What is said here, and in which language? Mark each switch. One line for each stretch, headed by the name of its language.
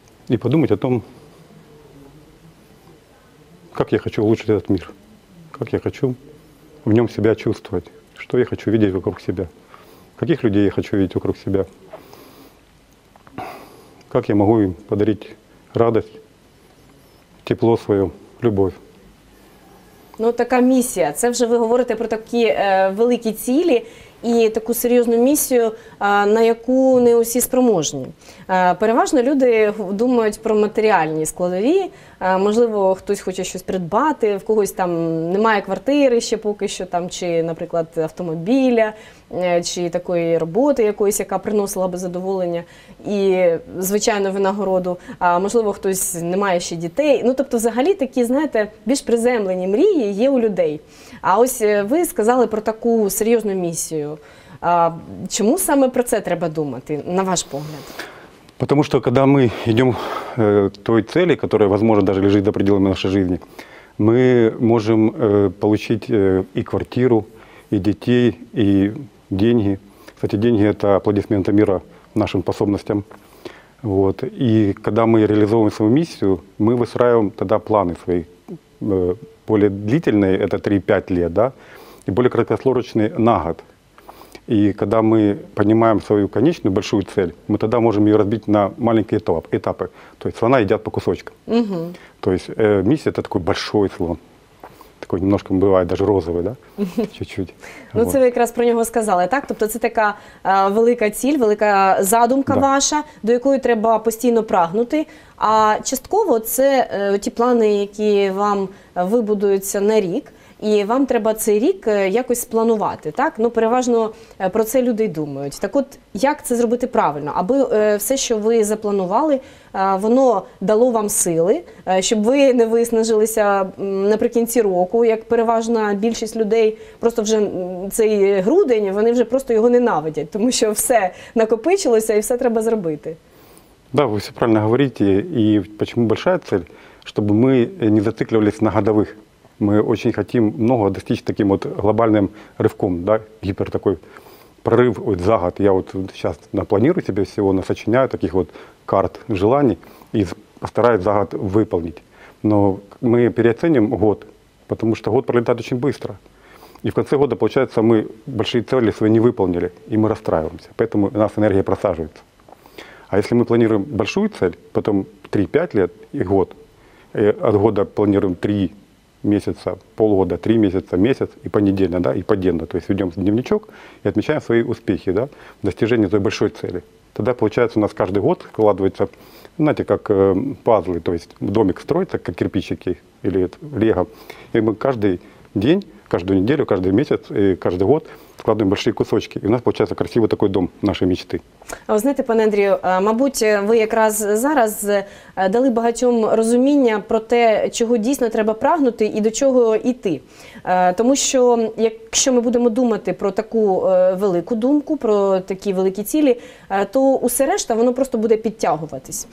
Russian: И подумать о том, как я хочу улучшить этот мир, как я хочу в нем себя чувствовать, что я хочу видеть вокруг себя, каких людей я хочу видеть вокруг себя, как я могу им подарить радость, тепло свое, любовь.
Ukrainian: Ну, така місія. Це вже ви говорите про такі великі цілі і таку серйозну місію, на яку не усі спроможні. Переважно люди думають про матеріальні складові. Можливо, хтось хоче щось придбати, в когось там немає квартири ще поки що, там, чи, наприклад, автомобіля, чи такої роботи якоїсь, яка приносила би задоволення і звичайну винагороду. А можливо, хтось не має ще дітей. Ну, тобто, взагалі, такі, знаєте, більш приземлені мрії є у людей. А ось ви сказали про таку серйозну місію. Чому саме про це треба думати, на ваш погляд?
Russian: Потому что когда мы идем к той цели, которая, возможно, даже лежит за пределами нашей жизни, мы можем получить и квартиру, и детей, и деньги. Кстати, деньги – это аплодисменты мира нашим способностям. Вот. И когда мы реализовываем свою миссию, мы выстраиваем тогда планы свои. Более длительные – это 3-5 лет, да? И более краткосрочные – на год. И когда мы понимаем свою конечную большую цель, мы тогда можем ее разбить на маленькие этапы. То есть слона едят по кусочкам. Угу. То есть миссия – это такой большой слон. Такой немножко бывает даже розовий, да? Чуть-чуть.
Ukrainian: Ну, це ви якраз про нього сказали, так? Тобто це така велика ціль, велика задумка ваша, до якої треба постійно прагнути. А частково це ті плани, які вам вибудуються на рік. І вам треба цей рік якось спланувати, так? Ну, переважно про це люди й думають. Так от, як це зробити правильно? Аби все, що ви запланували, воно дало вам сили, щоб ви не виснажилися наприкінці року, як переважна більшість людей, просто вже цей грудень, вони вже просто його ненавидять, тому що все накопичилося і все треба зробити. Да, ви все правильно говорите. І чому велика ціль? Щоб ми не зациклювалися на годових.
Russian: Мы очень хотим много достичь таким вот глобальным рывком, да, гипер такой прорыв вот за год. Я вот сейчас напланирую себе всего, насочиняю таких вот карт желаний и постараюсь за год выполнить. Но мы переоценим год, потому что год пролетает очень быстро. И в конце года, получается, мы большие цели свои не выполнили, и мы расстраиваемся. Поэтому у нас энергия просаживается. А если мы планируем большую цель, потом 3-5 лет и год, и от года планируем 3 месяца, полгода, 3 месяца, месяц и понедельно, да, и подельно. То есть ведем дневничок и отмечаем свои успехи, да, достижение той большой цели. Тогда получается у нас каждый год складывается, знаете, как пазлы, то есть домик строится, как кирпичики или лего. И мы каждый день, каждую неделю, каждый месяц и каждый год складываем большие кусочки. И у нас получается красивый такой дом нашей мечты.
Ukrainian: А ви знаєте, пане Андрію, мабуть, ви якраз зараз дали багатьом розуміння про те, чого дійсно треба прагнути і до чого йти. Тому що, якщо ми будемо думати про таку велику думку, про такі великі цілі, то усе решта, воно просто буде підтягуватись.